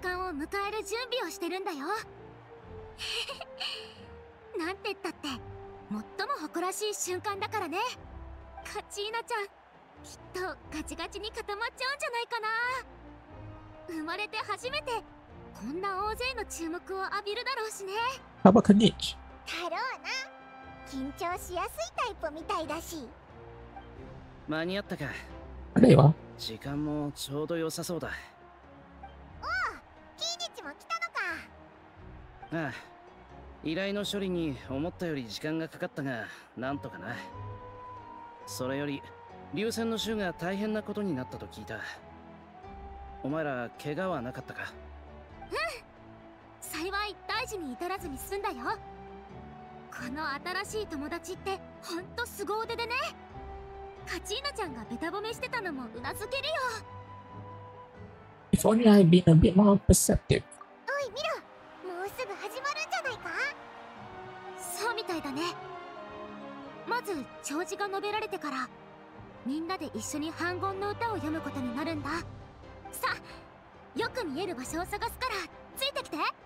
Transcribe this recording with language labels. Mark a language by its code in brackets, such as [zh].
[en] I'm preparing for the end of the war. What did I say? [ja] 最も誇らしい瞬間だからね。カチーナちゃん、きっとガチガチに固まっちゃうんじゃないかな。生まれて初めてこんな大勢の注目を浴びるだろうしね。ハバカニッチだろうな。緊張しやすいタイプみたいだし。間に合ったか。あれは時間もちょうど良さそうだ。おお、キーニッチも来たのか。ああ、依頼の処理に思ったより時間がかかったが、なんとかな。それより流線の衆が大変なことになったと聞いた。お前ら怪我はなかったか？うん、幸い大事に至らずに済んだよ。この新しい友達ってほんと凄腕でね。カチーナちゃんがベタ褒めしてたのもうなずけるよ。 [en] If only I'd been a bit more perceptive。 [ja] おい、見ろ、もうすぐ始まるんじゃないか。そうみたいだね。まず弔辞が述べられてから、みんなで一緒に梵言の歌を読むことになるんだ。さあ、よく見える場所を探すからついてきて。